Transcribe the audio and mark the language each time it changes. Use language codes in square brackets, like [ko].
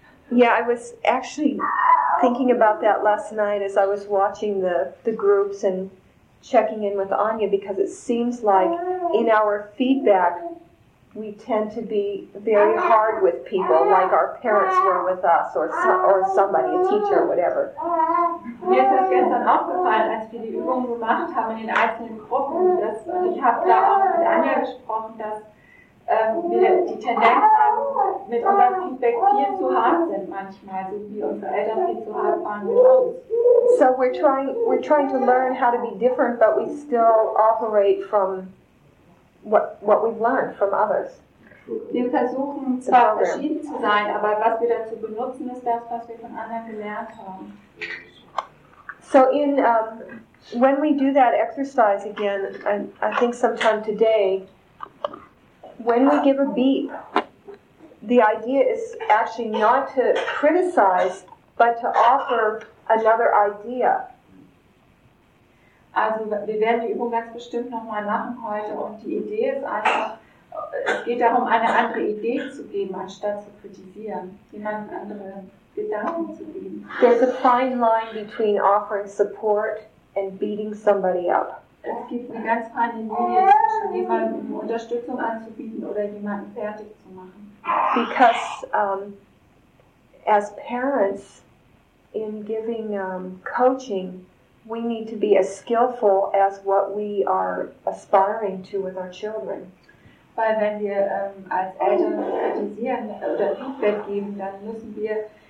[en] Yeah, I was actually thinking about that last night as I was watching the groups and checking in with Anya, because it seems like in our feedback, we tend to be very hard with people, like our parents were with us, or somebody, a teacher, or whatever. [de] Mir ist das gestern aufgefallen, als wir die Übung gemacht haben in den einzelnen Gruppen. Das, ich habe da auch mit Anja gesprochen, dass wir die Tendenz haben, mit unserem Feedback viel zu hart sind manchmal, so wie unsere Eltern viel zu hart waren mit uns. [en] So we're trying to learn how to be different, but we still operate from what we've learned from others. [de] Wir versuchen zwar verschieden zu sein, aber was wir dazu benutzen, ist das, was wir von anderen gelernt haben. [en] So in when we do that exercise again, I think sometime today, when we give a beep, the idea is actually not to criticize, but to offer another idea. [de] Also wir werden die Übung ganz bestimmt nochmal machen heute, und die Idee ist einfach, es geht darum, eine andere Idee zu geben, anstatt zu kritisieren, jemand andere Gedanken zu geben. [en] There's a fine line between offering support and beating somebody up. [de] Es gibt eine ganz feine Linie zwischen jemandem Unterstützung anzubieten oder jemanden fertig zu machen. [en] Because as parents, in giving coaching, we need to be as skillful as what we are aspiring to with our children. [de] Weil wenn wir als Eltern kritisieren oder Feedback geben, dann müssen wir